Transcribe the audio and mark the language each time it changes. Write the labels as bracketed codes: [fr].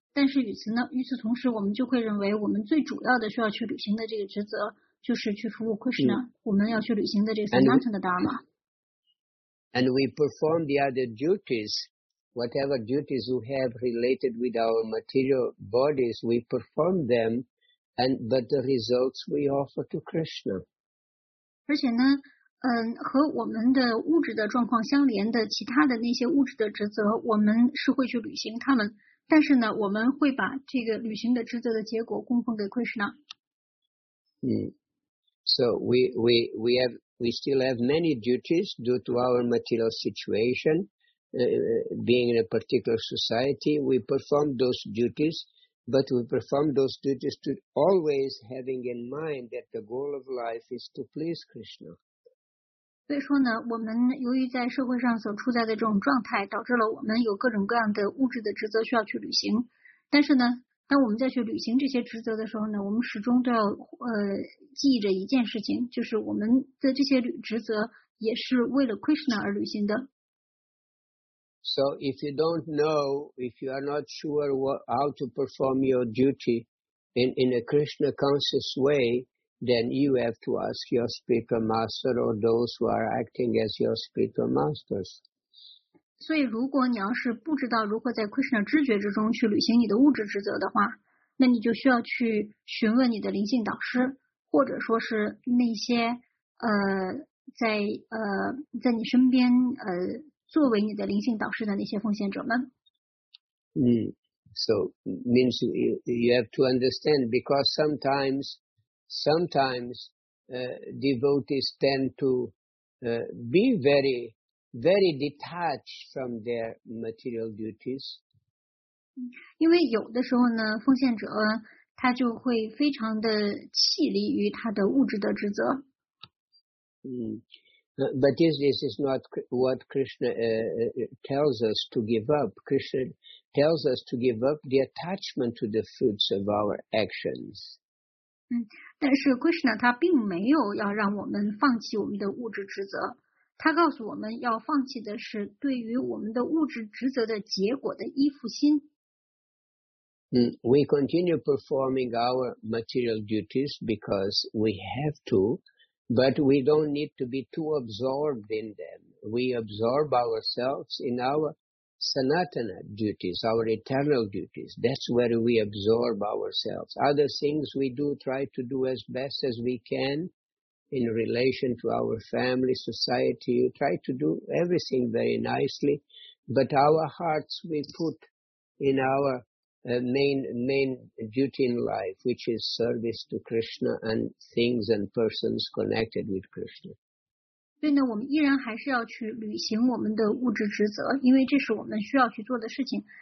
[zh] 但是与此同时，我们就会认为我们最主要的需要去履行的这个职责，就是去服务 Krishna。我们要去履行的这个 Sanatana Dharma。 [en] And we perform the other duties, whatever duties we have related with our material bodies, we perform them. But the results we offer to Krishna. [zh] 而且呢，和我们的物质的状况相连的其他的那些物质的职责，我们是会去履行它们。但是呢，我们会把这个履行的职责的结果供奉给 Krishna. [en] So we still have many duties due to our material situation, being in a particular society. We perform those duties. But we perform those duties to always having in mind that the goal of life is to please Krishna. [zh] 所以说呢，我们由于在社会上所处在的这种状态，导致了我们有各种各样的物质的职责需要去履行。但是呢，当我们再去履行这些职责的时候呢，我们始终都要记着一件事情，就是我们的这些职责也是为了 Krishna 而履行的。 [en] So if you don't know, if you are not sure how to perform your duty in a Krishna conscious way, then you have to ask your spiritual master or those who are acting as your spiritual masters. [zh] 所以如果你要是不知道如何在 Krishna 知觉之中去履行你的物质职责的话，那你就需要去询问你的灵性导师，或者说是那些在你身边作为你的灵性导师的那些奉献者们。 [en] So means you have to understand, because sometimes devotees tend to be very, very detached from their material duties. [zh] 因为有的时候呢，奉献者他就会非常的弃离于他的物质的职责。 [en] But this is not what Krishna tells us to give up. Krishna tells us to give up the attachment to the fruits of our actions. [zh] 但是 Krishna 他并没有要让我们放弃我们的物质职责，他告诉我们要放弃的是对于我们的物质职责的结果的依附心。 [en] We continue performing our material duties because we have to. But we don't need to be too absorbed in them. We absorb ourselves in our sanatana duties, our eternal duties. That's where we absorb ourselves. Other things we do, try to do as best as we can in relation to our family, society. You try to do everything very nicely. But our hearts we put in our main duty in life, which is service to Krishna and things and persons connected with Krishna. [zh] 所以呢，我们依然还是要去履行我们的物质职责，因为这是我们需要去做的事情。